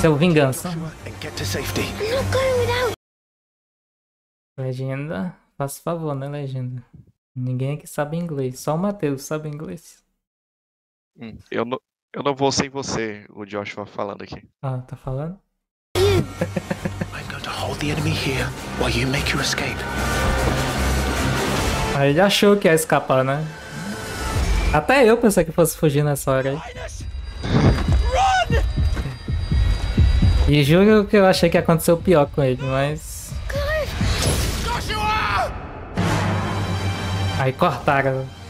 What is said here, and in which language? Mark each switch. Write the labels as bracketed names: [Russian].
[Portuguese] Seu Vingança. Legenda, faça favor, né, legenda? Ninguém aqui sabe inglês, só o Matheus sabe inglês. Eu não vou sem você, o Joshua falando aqui. Ah, tá falando? [English] I'm going to hold the enemy here while you make your escape. [Portuguese] Aí ele achou que ia escapar, né? Até eu pensei que fosse fugir nessa hora aí. [English] Run! [Portuguese] E juro que eu achei que ia acontecer o pior com ele, mas. Aí cortaram.